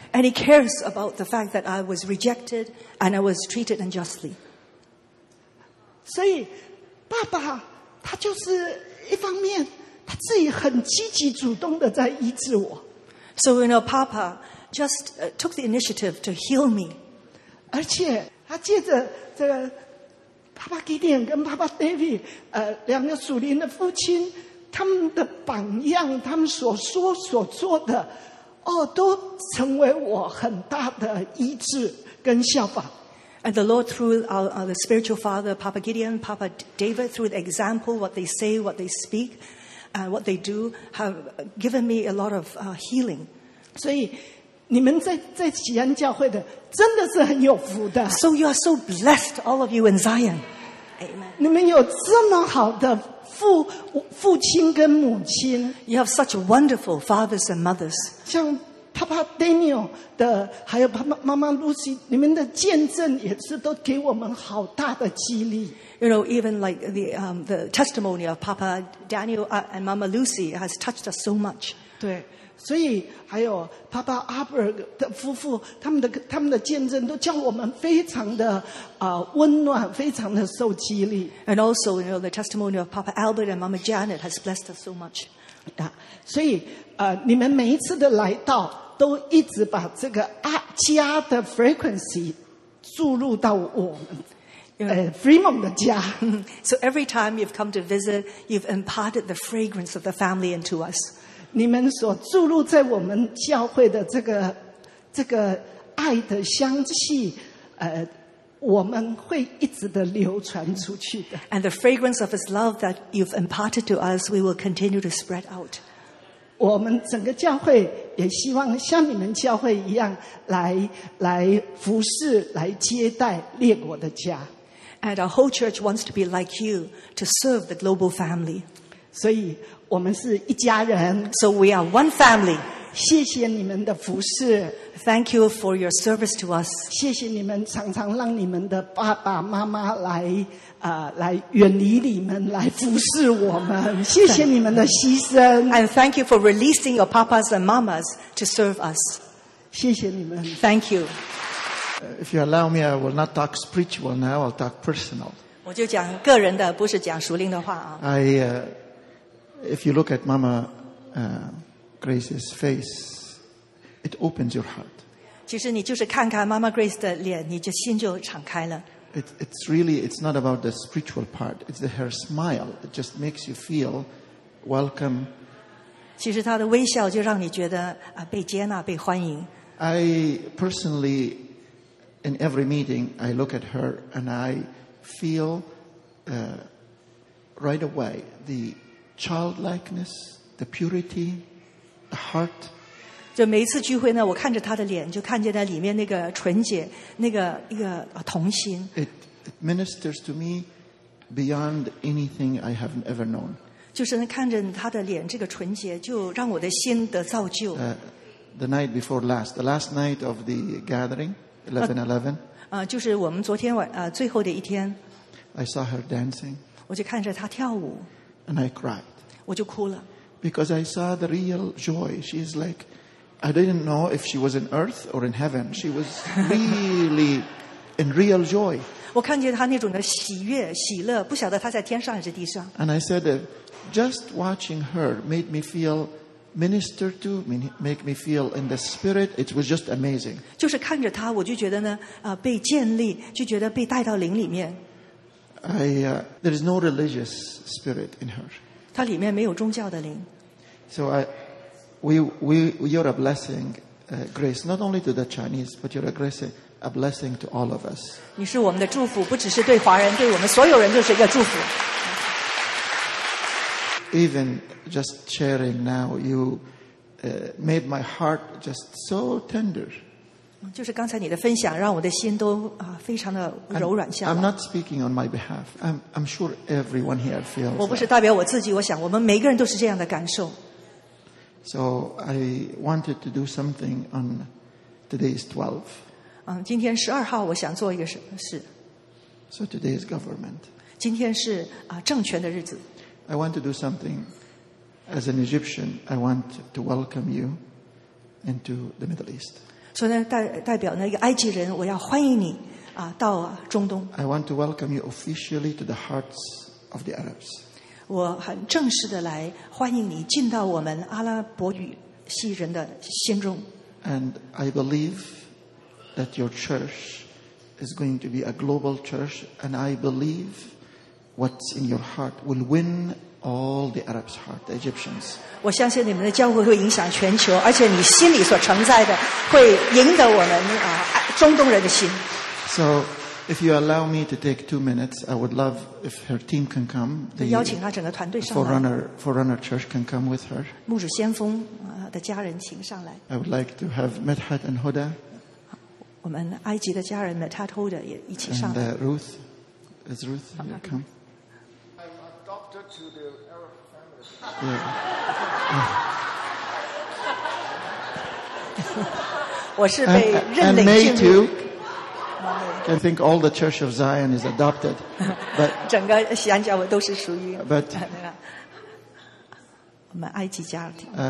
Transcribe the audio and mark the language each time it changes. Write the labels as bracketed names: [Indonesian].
[English] And he cares about the fact that I was rejected and I was treated unjustly. [Chinese] 所以爸爸他就是一方面他自己很积极主动的在医治我。 [English] So, you know, Papa just took the initiative to heal me. [Chinese] 而且他借着这个 Papa Gideon 跟 Papa David 两个属灵的父亲他们的榜样他们所说所做的都成为我很大的医治跟效法。 [English] And the Lord through the spiritual father, Papa Gideon, Papa David, through the example, what they say, what they speak,what they do have given me a lot of healing. [Chinese] 所以你们在锡安教会的真的是很有福的。 [English] So you are so blessed, all of you in Zion. Amen. [Chinese] 你们有这么好的父亲跟母亲。 [English] You have such wonderful fathers and mothers. [Chinese] 像 Papa Daniel 的还有妈妈 Lucy, 你们的见证也是都给我们好大的激励。 [English] You know, even like the testimony of Papa Daniel and Mama Lucy has touched us so much. [Chinese] 对，所以还有 Papa Arberg 的夫妇，他们的见证都叫我们非常的温暖，非常的受激励。 [English] And also, you know, the testimony of Papa Albert and Mama Janet has blessed us so much. [Chinese] 所以你们每一次的来到，都一直把这个家的 frequency 注入到我们。Freeman 的家。 [English] So every time you've come to visit, you've imparted the fragrance of the family into us. [Chinese] 你们所注入在我们教会的这个爱的香气，我们会一直的流传出去的。 [English] And the fragrance of His love that you've imparted to us, we will continue to spread out. [Chinese] 我们整个教会也希望像你们教会一样来服侍、来接待列国的家。 [English] And our whole church wants to be like you to serve the global family. [Chinese] 所以我们是一家人。 [English] So we are one family. [Chinese] 谢谢你们的服侍。 [English] Thank you for your service to us. [Chinese] 谢谢你们常常让你们的爸爸妈妈来远离你们来服侍我们。谢谢你们的牺牲。 [English] And thank you for releasing your papas and mamas to serve us. [Chinese] 谢谢你们。 [English] Thank you. If you allow me, I will not talk spiritual now, I'll talk personal. [Chinese] 我就讲个人的，不是讲属灵的话啊。 [English] If you look at Mama Grace's face, it opens your heart. [Chinese] 其实你就是看看 Mama Grace 的脸，你就心就敞开了。 [English] It's not about the spiritual part. It's her smile. It just makes you feel welcome. [Chinese] 其实她的微笑就让你觉得啊被接纳，被欢迎。 [English] I personally, in every meeting, I look at her and I feel right away the childlikeness, the purity, the heart. [Chinese] 就每一次聚会呢，我看着她的脸，就看见她里面那个纯洁，那个一个童心。 [English] It ministers to me beyond anything I have ever known. [Chinese] 就是看着她的脸这个纯洁，就让我的心得造就。 [English] The night before last, the last night of the gathering, 11:11. [Chinese] 就是我们昨天晚最后的一天。 [English] I saw her dancing. [Chinese] 我就看着她跳舞。 [English] And I cried. [Chinese] 我就哭了。 [English] Because I saw the real joy. She is like, I didn't know if she was in earth or in heaven. She was really in real joy. [Chinese] 我看见她那种的喜悦、喜乐，不晓得她在天上还是地上。 [English] And I said, just watching her made me feel. Minister to make me feel in the spirit. It was just amazing. [Chinese] 就是看着他，我就觉得呢，被建立，就觉得被带到灵里面。 [English] There is no religious spirit in her. [Chinese] 他里面没有宗教的灵。 [English] So we you're a blessing, Grace. Not only to the Chinese, but you're a blessing to all of us. [Chinese] 你是我们的祝福，不只是对华人，对我们所有人都是一个祝福。 [English] Even just sharing now, you made my heart just so tender. [Chinese] 就是刚才你的分享让我的心都非常的柔软下来。 [English] I'm not speaking on my behalf. I'm sure everyone here feels. [Chinese] 我不是代表我自己，我想我们每个人都是这样的感受。 [English] So I wanted to do something on today's 12. [Chinese] 今天十二号，我想做一个什么事。 [English] So today is government. [Chinese] 今天是政权的日子。 [English] I want to do something. As an Egyptian, I want to welcome you into the Middle East. [Chinese] 所以呢，代表呢一个埃及人，我要欢迎你啊，到中东。 [English] I want to welcome you officially to the hearts of the Arabs. [Chinese] 我很正式的来欢迎你进到我们阿拉伯语系人的心中。 [English] And I believe that your church is going to be a global church, and I believe. What's in your heart will win all the Arabs' heart, the Egyptians. [Chinese] 我相信你们的教会会影响全球，而且你心里所承载的会赢得我们中东人的心。 [English] So, if you allow me to take 2 minutes, I would love if her team can come. [Chinese] 邀请她整个团队上来。 [English] Forerunner Church can come with her. [Chinese] 牧师先锋的家人请上来。 [English] I would like to have Medhat and Hoda. [Chinese] 我们埃及的家人 Medhat Hoda 也一起上来。 [English] And Ruth. Is Ruth going to come? I'm adopted to the Arab family. Yeah. and May too. I think all the Church of Zion is adopted. But, [Chinese] 整个西安教会都是属于我们埃及家庭。